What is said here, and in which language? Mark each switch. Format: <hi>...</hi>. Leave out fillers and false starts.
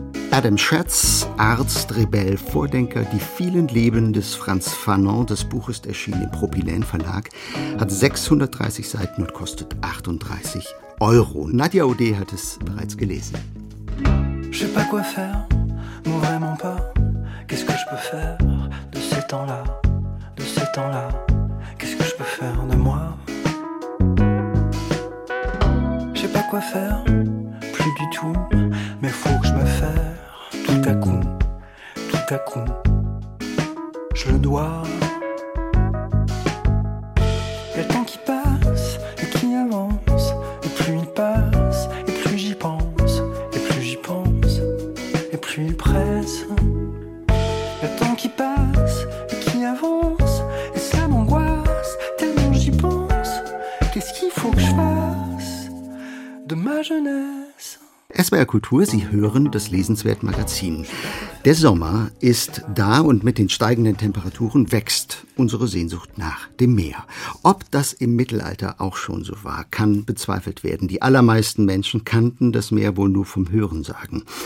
<de>Adam Schatz, Arzt, Rebell, Vordenker, die vielen Leben des Franz Fanon, das Buch ist erschienen im Propylen Verlag, hat 630 Seiten und kostet 38 Euro. Nadia Audet hat es bereits gelesen.</de> <fr>Je sais pas quoi faire, mais vraiment pas. Qu'est-ce que je peux faire de ces temps-là, de ces temps-là? Qu'est-ce que je peux faire de moi? Je sais pas quoi faire, plus du tout. Mais faut que je me fasse tout à coup, tout à coup. Je le dois. Y'a le temps qui passe et qui avance. Et plus il passe, et plus j'y pense. Et plus j'y pense, et plus il presse. Y'a le temps qui passe et qui avance. Et ça m'angoisse tellement j'y pense. Qu'est-ce qu'il faut que je fasse de ma jeunesse?</fr> <de>SWR Kultur, Sie hören das Lesenswert-Magazin. Der Sommer ist da und mit den steigenden Temperaturen wächst unsere Sehnsucht nach dem Meer. Ob das im Mittelalter auch schon so war, kann bezweifelt werden. Die allermeisten Menschen kannten das Meer wohl nur vom Hörensagen.</de>